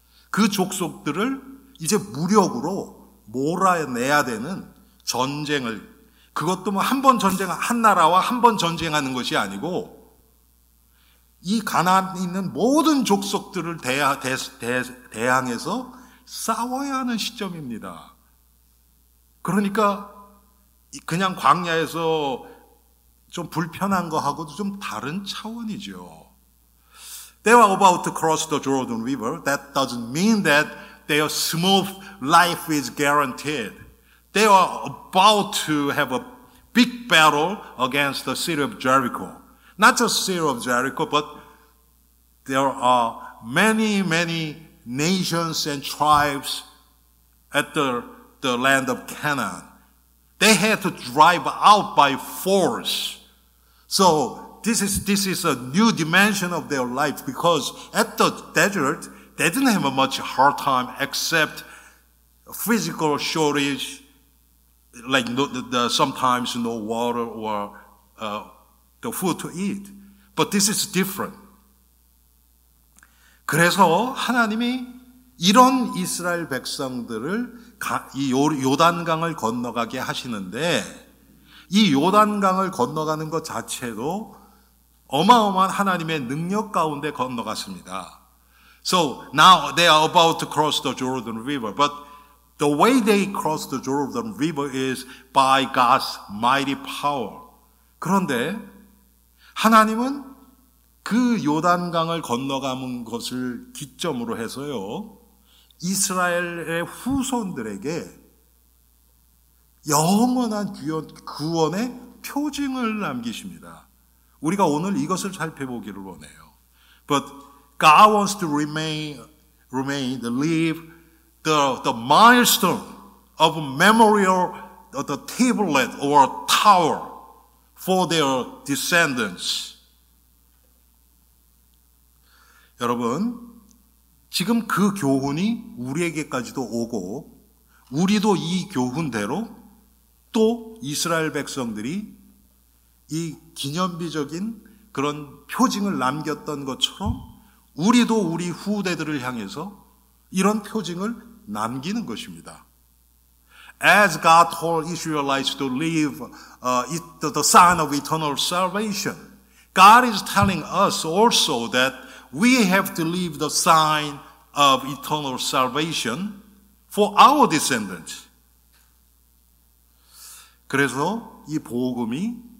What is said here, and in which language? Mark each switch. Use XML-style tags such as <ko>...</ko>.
<ko>그 족속들을 이제 무력으로 몰아내야 되는 전쟁을 그것도 뭐한번 전쟁 한 나라와 한번 전쟁하는 것이 아니고 이 가나안에 있는 모든 족속들을 대항해서 싸워야 하는 시점입니다. 그러니까 그냥 광야에서 좀 불편한 거 하고도 좀 다른 차원이죠.</ko> <en>They were about to cross the Jordan River. That doesn't mean that their smooth life is guaranteed. They were about to have a big battle against the city of Jericho. Not just the city of Jericho, but there are many, many nations and tribes at the land of Canaan. They had to drive out by force. So this is a new dimension of their life because at the desert, they didn't have a much hard time except physical shortage, like sometimes no water or the food to eat. But this is different.</en> <ko>그래서 하나님이 이런 이스라엘 백성들을 이 요단강을 건너가게 하시는데, 이 요단강을 건너가는 것 자체도 어마어마한 하나님의 능력 가운데 건너갔습니다.</ko> <en>So now they are about to cross the Jordan River, but the way they cross the Jordan River is by God's mighty power.</en> <ko>그런데 하나님은 그 요단강을 건너가는 것을 기점으로 해서요, 이스라엘의 후손들에게 영원한 구원의 표징을 남기십니다. 우리가 오늘 이것을 살펴보기를 원해요.</ko> <en>But God wants to leave the milestone of memorial, the tablet or tower for their descendants.</en> <ko>여러분, 지금 그 교훈이 우리에게까지도 오고, 우리도 이 교훈대로 또 이스라엘 백성들이 이 기념비적인 그런 표징을 남겼던 것처럼 우리도 우리 후대들을 향해서 이런 표징을 남기는 것입니다.</ko> <en>As God told Israelites to leave the sign of eternal salvation, God is telling us also that we have to leave the sign of eternal salvation for our descendants.</en> <ko>그래서 이 복음이</ko>